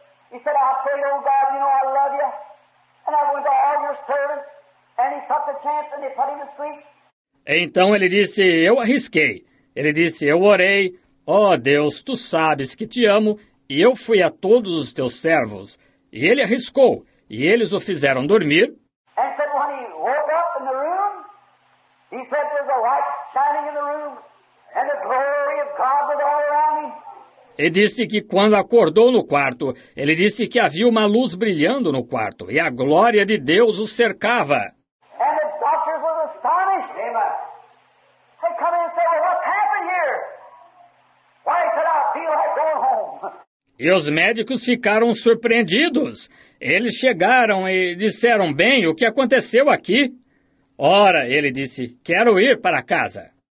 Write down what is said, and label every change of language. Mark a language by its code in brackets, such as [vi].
[en] He said, I prayed, oh God, you know I love you. And I went to all your servants. And he took the chance and they put him to sleep. [pt] Então ele disse, eu arrisquei. Ele disse, eu orei. Oh Deus, tu sabes que te amo. E eu fui a todos os teus servos. E ele arriscou. E eles o fizeram dormir. [en] And said, when he woke up in the room, he said, there's a light shining in the room. And the glory of God was all around him. [pt] E disse que quando acordou no quarto, ele disse que havia uma luz brilhando no quarto e a glória de Deus o cercava. [en] And the doctors were astonished. Amen. They come in and said, well, what's happened here? Why should I feel like going home? [pt] E os médicos ficaram surpreendidos. Eles chegaram e disseram, bem, o que aconteceu aqui? Ora, ele disse, quero ir para casa.